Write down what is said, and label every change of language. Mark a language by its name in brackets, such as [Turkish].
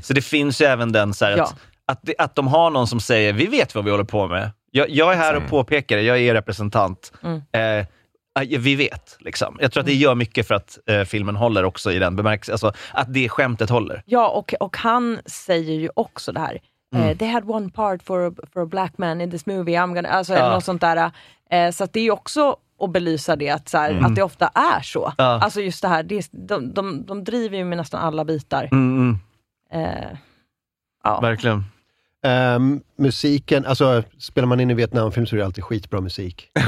[Swedish] Så det finns ju även den så här, ja. att de har någon som säger, vi vet vad vi håller på med. Jag är här och påpekar det, jag är er representant. Mm. Vi vet, liksom. Jag tror att det gör mycket för att filmen håller också i den bemärkelsen. Alltså, att det skämtet håller. Ja, och han säger ju också det här. [English] They had one part for a black man in this movie. I'm gonna, [Swedish] alltså, eller något sånt där. Så att det är ju också att belysa det, att, så här, att det ofta är så. Alltså just det här, det är, de driver ju med nästan alla bitar. Verkligen. Musiken, alltså spelar man in i Vietnamfilm så är det alltid skitbra musik.